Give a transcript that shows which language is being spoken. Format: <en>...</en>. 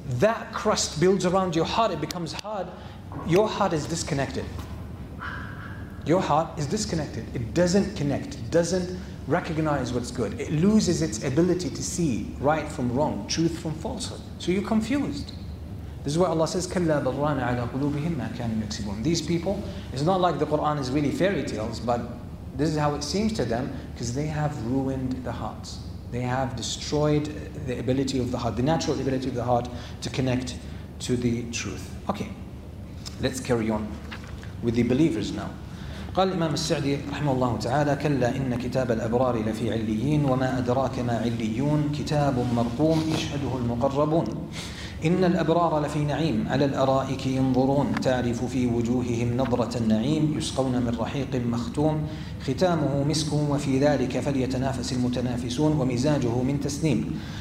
<en>that crust builds around your heart, it becomes hard, your heart is disconnected. Your heart is disconnected. It doesn't connect, doesn't recognize what's good. It loses its ability to see right from wrong, truth from falsehood. So you're confused. This is why Allah says,</en> <ar>كَلَّا بَرَّانَ عَلَى قُلُوبِهِمْ مَا كَانُوا يَكْسِبُونَ.</ar> <en>These people, it's not like the Quran is really fairy tales, but this is how it seems to them, because they have ruined the hearts. They have destroyed the ability of the heart, the natural ability of the heart to connect to the truth. Okay, let's carry on with the believers now.</en> <ar>قال الإمام السعدي رحمه الله تعالى كلا إن كتاب الأبرار لفي عليين وما أدراك ما عليون كتاب مرقوم يشهده المقربون إن الأبرار لفي نعيم على الأرائك ينظرون تعرف في وجوههم نظرة النعيم يسقون من رحيق مختوم ختامه مسك وفي ذلك فليتنافس المتنافسون ومزاجه من تسنيم.</ar>